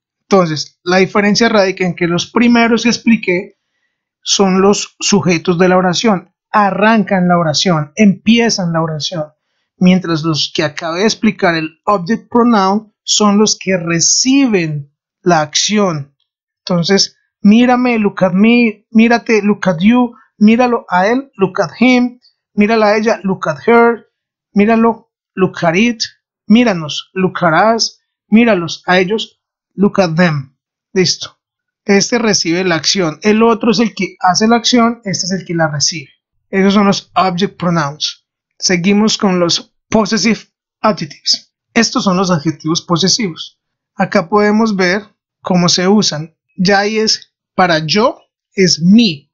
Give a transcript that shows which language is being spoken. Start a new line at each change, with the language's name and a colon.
Spanish: Entonces, la diferencia radica en que los primeros que expliqué son los sujetos de la oración. Arrancan la oración, empiezan la oración. Mientras los que acabé de explicar, el object pronoun, son los que reciben la acción. Entonces, mírame,
English: look at me, mírate, look at you,
Spanish: míralo a él,
English: look at him,
Spanish: mírala a ella,
English: look at her, míralo, look at it, míranos, look at us,
Spanish: míralos a ellos,
English: look at them.
Spanish: Listo. Este recibe la acción. El otro es el que hace la acción, este es el que la recibe. Esos son los object pronouns. Seguimos con los possessive adjectives. Estos son los adjetivos posesivos. Acá podemos ver cómo se usan. Ya ahí es para yo, es me.